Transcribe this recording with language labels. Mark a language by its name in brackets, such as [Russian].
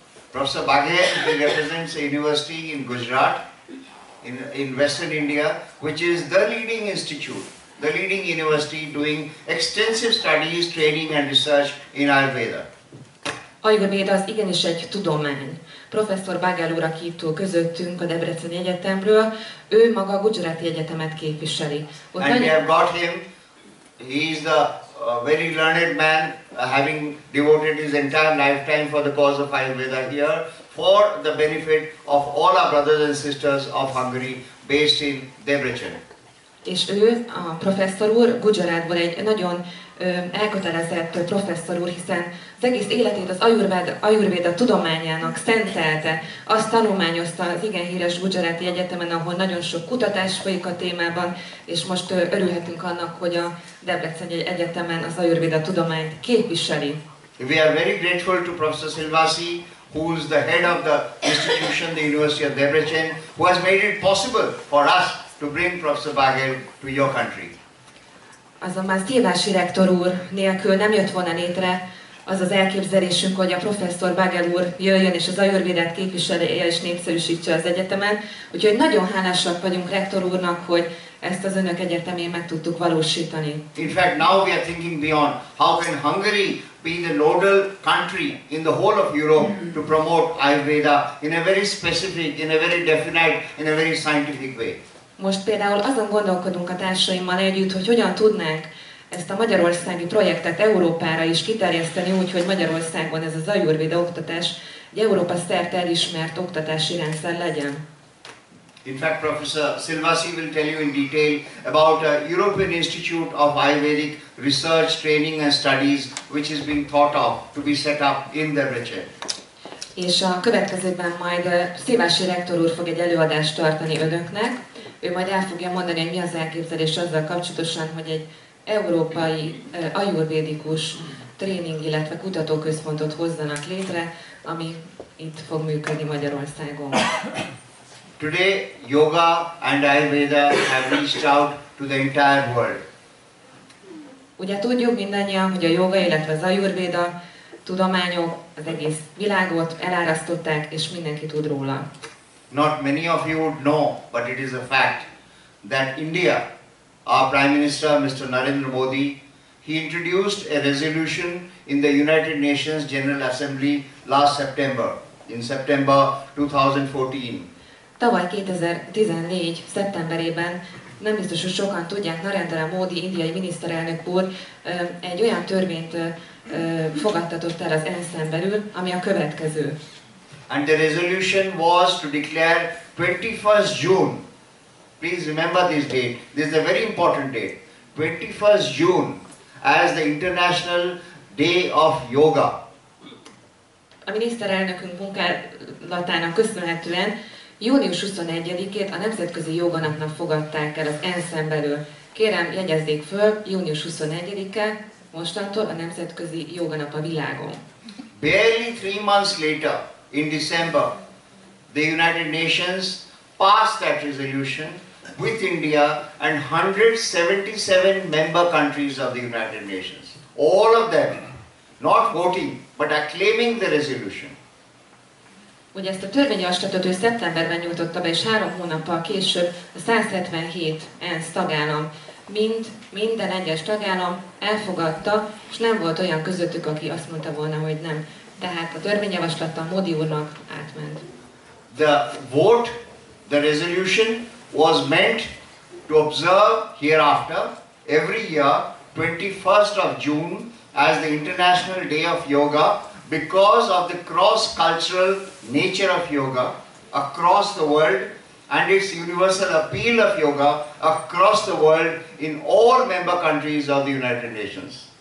[English] Professor Baghel represents a university in Gujarat, in Western India, which is the leading institute, the leading university doing extensive studies, training and research in Ayurveda. [Hungarian] Ayurveda az igenis egy tudomány. Professor Baghel úr, aki itt közöttünk a Debreceni Egyetemről, ő maga a Gujarati Egyetemet képviseli. Ott [English] and we have got him, he is the very learned man, having devoted his entire lifetime for the cause of Ayurveda here, for the benefit of all our brothers and sisters of Hungary based in Debrecen. [Hungarian] És ő, a professzor úr, Gujaratból egy nagyon elkötelezett professzor úr, hiszen az egész életét az Ayurveda tudományának szentelte, azt tanulmányozta az igen híres Gujarati Egyetemen, ahol nagyon sok kutatás folyik a témában, és most örülhetünk annak, hogy a Debrecen Egyetemen az Ayurveda tudományt képviseli. [English] We are very grateful to Professor Szilvássy, who is the head of the institution, the University of Debrecen, who has made it possible for us to bring Professor Baghel to your country. [Hungarian] Azonban Szilvássy rektor úr nélkül nem jött volna létre az az elképzelésünk, hogy a professzor Baghel úr jöjjön és az Ayurvédát képviselje és népszerűsítse az egyetemen. Úgyhogy nagyon hálásak vagyunk rektor úrnak, hogy ezt az önök egyetemén meg tudtuk valósítani. [English] In fact, now we are thinking beyond. How can Hungary be the nodal country in the whole of Europe to promote Ayurveda in a very specific, in a very definite, in a very scientific way? [Hungarian] Most például azon gondolkodunk a társaimmal együtt, hogy hogyan tudnánk ezt a magyarországi projektet Európára is kiterjeszteni úgy, hogy Magyarországon ez az Ayurveda oktatás egy Európa szerte elismert oktatási rendszer legyen. [English] In fact, Professor Szilvássy will tell you in detail about a European Institute of Ayurvedic Research, Training and Studies, which is being thought of to be set up in Debrecen. [Hungarian] És a következőben majd Szilvássy rektor úr fog egy előadást tartani önöknek. Ő majd el fogja mondani, hogy mi az elképzelés azzal kapcsolatosan, hogy egy európai ajurvédikus tréning, illetve kutatóközpontot hozzanak létre, ami itt fog működni Magyarországon. [English] Today, yoga and Ayurveda have reached out to the entire world. [Hungarian] Ugye tudjuk mindannyian, hogy a yoga, illetve az ajurvéda tudományok az egész világot elárasztották, és mindenki tud róla. [English] Not many of you would know, but it is a fact that India, our Prime Minister Mr. Narendra Modi, He introduced a resolution in the United Nations General Assembly last September, in September 2014. [Hungarian] Tavaly 2014. szeptemberében, nem biztos, hogy sokan tudják, Narendra Modi, indiai miniszterelnök úr egy olyan törvényt fogadtatott el az ENSZ-en belül, ami a következő. [English] And the resolution was to declare 21st June. Please remember this date. This is a very important date. 21st June as the International Day of Yoga. [Hungarian] A miniszterelnökünk munkálatának köszönhetően június 21-ét a Nemzetközi Jóga Napnak fogadták el az ENSZ-en belül. Kérem, jegyezzék föl, június 21-e, mostantól a Nemzetközi Jóga Nap a világon. [English] Barely 3 months later, in December, the United Nations passed that resolution with India and 177 member countries of the United Nations. All of them, not voting, but acclaiming the resolution. [Hungarian] Ugye ezt a törvényjavaslatot ő szeptemberben nyújtotta be, és 3 hónappal később a 177 ENSZ tagállam, minden egyes tagállam elfogadta, és nem volt olyan közöttük, aki azt mondta volna, hogy nem. Tehát a törvényjavaslata Modi úrnak átment. [English] The vote, the resolution was meant to observe hereafter every year 21st of June as the International Day of Yoga because of the cross-cultural nature of yoga across the world and its universal appeal of yoga across the world in all member countries of the United Nations.